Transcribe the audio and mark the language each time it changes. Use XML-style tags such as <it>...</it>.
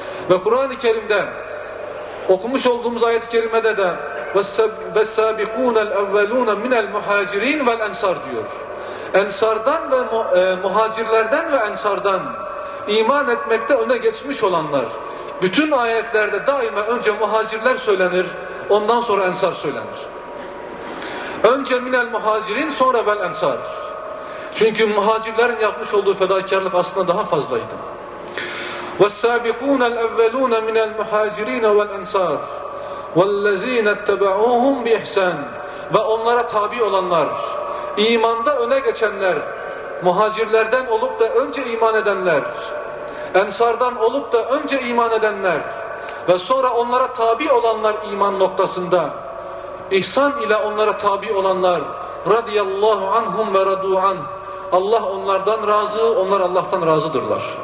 <tr>Ve Kur'an-ı Kerim'de okumuş olduğumuz ayet-i kerimede de</tr> <ar>وَالسَّابِقُونَ الْاَوَّلُونَ مِنَ الْمُحَاجِر۪ينَ وَالْاَنْسَارِ</ar> <tr>diyor. Ensardan ve muhacirlerden ve ensardan iman etmekte öne geçmiş olanlar. Bütün ayetlerde daima önce muhacirler söylenir, ondan sonra ensar söylenir. Önce</tr> <ar>مِنَ الْمُحَاجِر۪ينَ</ar> <tr>sonra</tr> <ar>وَالْاَنْسَارِ.</ar> <tr>Çünkü muhacirlerin yapmış olduğu fedakarlık aslında daha fazlaydı.</tr> <ar>وَالسَّابِقُونَ الْاَوَّلُونَ مِنَ الْمُحَاجِر۪ينَ وَالْاَنْسَارِ وَالَّذ۪ينَ اتَّبَعُوهُمْ بِإِحْسَانِ</ar> <tr>ve onlara tabi olanlar, imanda öne geçenler, muhacirlerden olup da önce iman edenler, ensardan olup da önce iman edenler ve sonra onlara tabi olanlar iman noktasında, ihsan ile onlara tabi olanlar radiyallahu anhum ve radu anh, Allah onlardan razı, onlar Allah'tan razıdırlar.</tr>